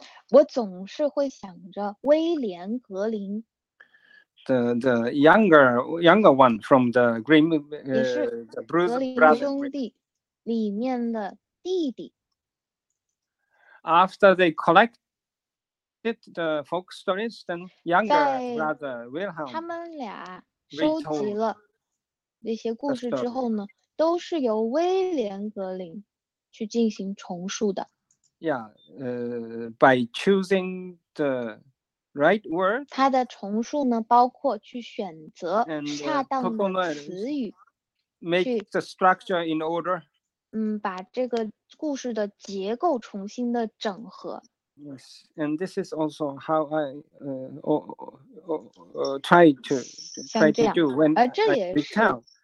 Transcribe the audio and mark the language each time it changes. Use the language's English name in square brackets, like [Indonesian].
[Chinese] 我总是会想着威廉·格林。 [English] The younger one from the Grimm, the Bruce Brothers. [Chinese] 兄弟里面的弟弟。 [English] After they collected the folk stories, then younger brother Wilhelm. [Chinese] 他们俩收集了那些故事之后呢，都是由威廉·格林。去进行重述的。 [English] Yeah, by choosing the right word. [Chinese] 它的重述呢，包括去选择恰当的词语。 [English] Make the structure in order. [Chinese] 把这个故事的结构重新的整合。 [English] Yes, and this is also how I try to do when I retell.